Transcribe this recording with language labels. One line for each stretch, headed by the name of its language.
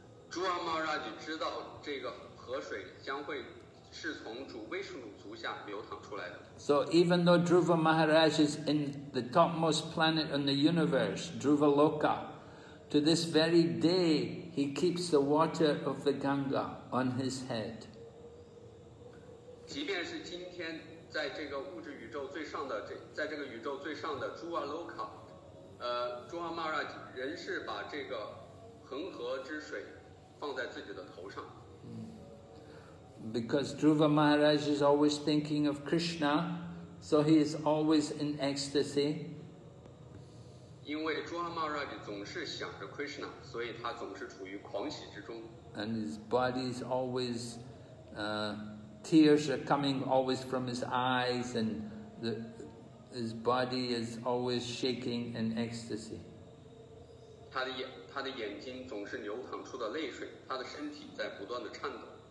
Chinese: Dhruva Maharaj 知道这个河水将会是从主威士努足下流淌出来的。
English: So even though Dhruva Maharaj is in the topmost planet in the universe, Dhruva Loka, to this very day he keeps the water of the Ganga on his head.
Chinese: 即便是今天在这个物质宇宙最上的在这个宇宙最上的朱瓦洛卡，朱瓦玛拉仍是把这个恒河之水放在自己的头上。
English: Because Dhruva Maharaj is always thinking of Krishna, so he is always in ecstasy.
Chinese: 因为 Dhruva Maharaj 总是想着 Krishna, 所以他总是处于狂喜之中。
English: And his body is always, tears are coming always from his eyes, and his body is always shaking in ecstasy.
Chinese: 他的眼睛总是流淌出的泪水，他的身体在不断的颤抖。